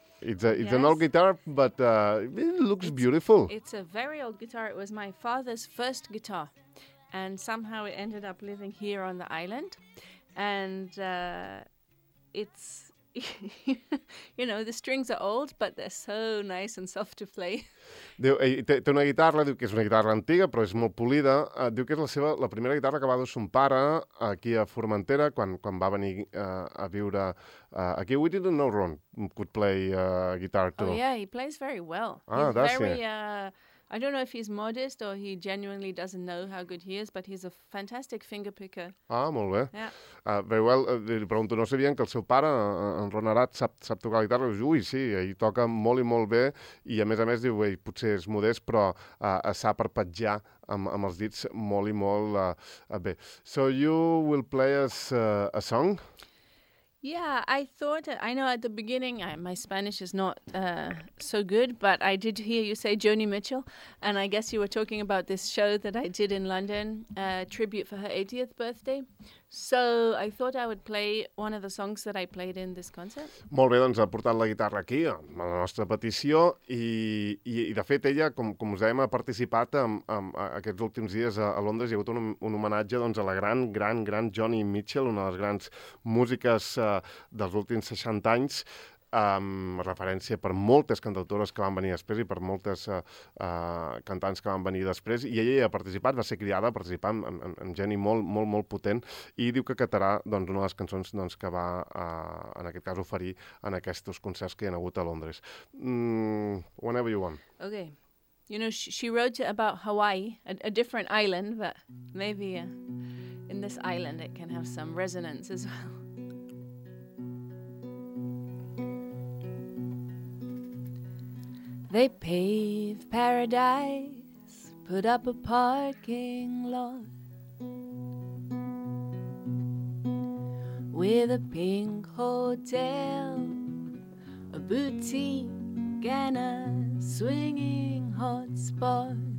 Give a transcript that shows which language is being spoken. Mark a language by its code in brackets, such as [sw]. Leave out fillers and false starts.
[en] It's an old guitar, but it looks beautiful. It's a very old guitar. It was my father's first guitar. And somehow it ended up living here on the island. And... It's, you know, the strings are old, but they're so nice and soft to play. [ca] Diu, té una guitarra, diu que és una guitarra antiga, però és molt polida. Diu que és la primera guitarra que va dur son pare aquí a Formentera quan va venir a viure aquí. [en] We didn't know Ron could play guitar too. Oh yeah, he plays very well. Ah, that's very, I don't know if he's modest or he genuinely doesn't know how good he is, but he's a fantastic finger picker. [ca] Ah, molt bé. [en] Yeah. [ca] Very well, li pregunto, no sabien que el seu pare, en Ron Arat, sap tocar la guitarra? Ui, sí, ell toca molt i molt bé, i a més diu, ell potser és modest, però sap arpeggiar amb els dits molt i molt bé. [en] So you will play us a song? Yeah, I thought, I know at the beginning, my Spanish is not so good, but I did hear you say Joni Mitchell, and I guess you were talking about this show that I did in London, a tribute for her 80th birthday. So I thought I would play one of the songs that I played in this concert. [ca] Molt bé, doncs ha portat la guitarra aquí, a la nostra petició, i de fet ella, com us dèiem, ha participat en aquests últims dies a Londres, i ha hagut un homenatge doncs, a la gran Joni Mitchell, una de les grans músiques dels últims 60 anys, amb referència per moltes cantautores que van venir després i per moltes cantants que van venir després, i ella hi ha participat, va ser criada a participar amb geni molt potent, i diu que cantarà doncs, una de les cançons doncs, que va, en aquest cas, oferir en aquests concerts que hi ha hagut a Londres. [en] Whenever you want. Okay. You know, she wrote about Hawaii, a different island, but maybe in this island it can have some resonance as well. They pave paradise, put up a parking lot with a pink hotel, a boutique and a swinging hotspot.